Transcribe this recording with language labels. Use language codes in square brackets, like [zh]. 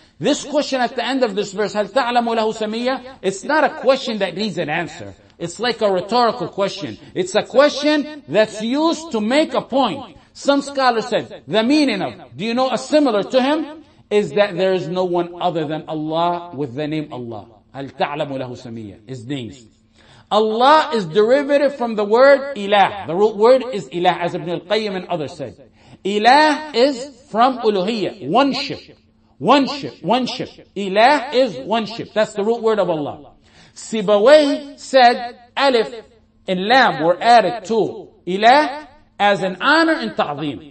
[en] This question at the end of this verse, [ar] هَلْ تَعْلَمُ لَهُ سَمِيَّ? [en] It's not a question that needs an answer. It's like a rhetorical question. It's a question that's used to make a point. Some scholars said, the meaning of, do you know a similar to him? is that there is no one other than Allah with the name Allah. [ar] هَلْ تَعْلَمُ لَهُ سَمِيَّا [en] His names. Allah is derivative from the word ilah. The root word is ilah, as Ibn al-Qayyim and others said. Ilah is from uluhiyyah, one-ship. One-ship, one-ship. Ilah is one-ship. That's the root word of Allah. Sibawayh said, alif and lam were added to ilah as an honor and ta'zeem.